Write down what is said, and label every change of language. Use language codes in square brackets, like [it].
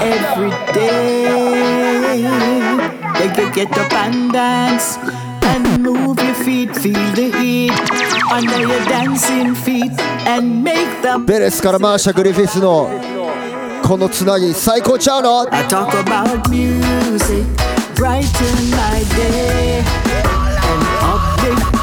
[en] Every day they could get up and dance. And move your feet, feel the heat under your dancing feet, and make them. [ja] ベレスからマーシャ・グリフィスのこのつなぎ最高ちゃうの。 [en] I talk about music, brighten my day, and update.